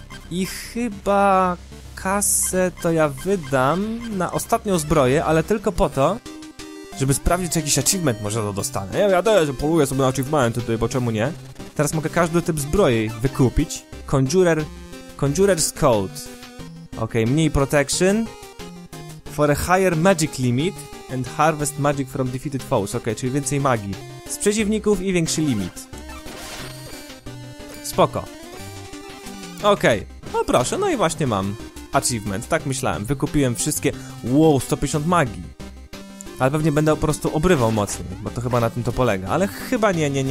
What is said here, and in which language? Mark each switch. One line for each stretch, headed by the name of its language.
Polish: I chyba... Kasę to ja wydam na ostatnią zbroję, ale tylko po to, żeby sprawdzić, czy jakiś achievement może to dostanę. Ja wiadomo, że poluję sobie na achievement tutaj, bo czemu nie? Teraz mogę każdy typ zbroi wykupić. Conjurer's Code. Okej, mniej protection.
English: For a higher magic limit and harvest magic from defeated foes.
Polish: Okej, czyli więcej magii. Z przeciwników i większy limit. Spoko. Okej. No proszę, no i właśnie mam achievement. Tak myślałem. Wykupiłem wszystkie... Wow, 150 magii. Ale pewnie będę po prostu obrywał mocniej, bo to chyba na tym to polega. Ale chyba nie.